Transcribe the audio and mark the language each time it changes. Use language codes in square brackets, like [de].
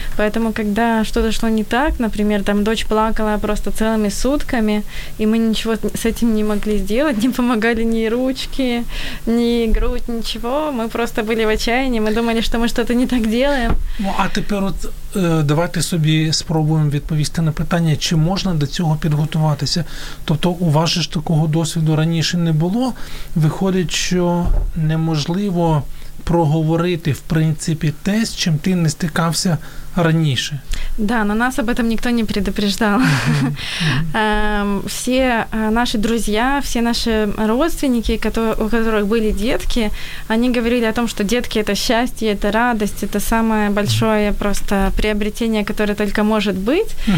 [ru] Поэтому, когда что-то шло не так, например, там дочь плакала просто целыми сутками, и мы ничего с этим не могли сделать, не помогали ни ручки, ни грудь, ничего. Мы просто были в отчаянии. Мы думали, что мы что-то не так делаем. [uk] Ну, а теперь вот давайте собі спробуємо відповісти на питання, чи можна до цього підготуватися. Тобто у вас ж такого досвіду раніше не було. Виходить, що неможливо проговорити, в принципі, те, з чим ти не стикався раніше. [ru] Да, но нас об этом никто не предупреждал. Все наши друзья, все наши родственники, у которых были детки, они говорили о том, что детки — это счастье, это радость, это самое большое просто приобретение, которое только может быть.